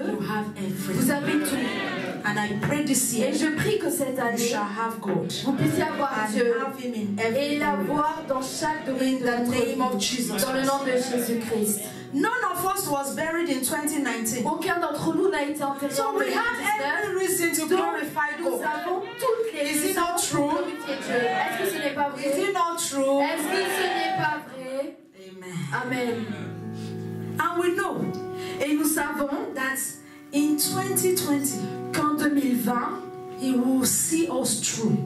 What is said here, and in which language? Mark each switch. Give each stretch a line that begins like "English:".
English: you have everything.
French: Vous avez tout.
English: And I pray this year,
French: et je prie que cette année,
English: you shall have God,
French: vous puissiez avoir
English: and
French: Dieu
English: have him in every
French: et l'avoir dans chaque domaine de votre
English: name
French: vie,
English: of Jesus.
French: Dans le nom de Jésus-Christ.
English: None of us was buried in 2019.
French: Aucun d'entre nous n'a été enterré.
English: So we have every reason to glorify God.
French: Nous avons toutes les raisons.
English: Is it not true?
French: Est-ce que ce n'est pas vrai?
English: Is it not true?
French: Est-ce que ce n'est pas vrai? Amen. Amen.
English: And we know.
French: Et nous savons
English: that in 2020,
French: qu'en 2020,
English: He will see us through.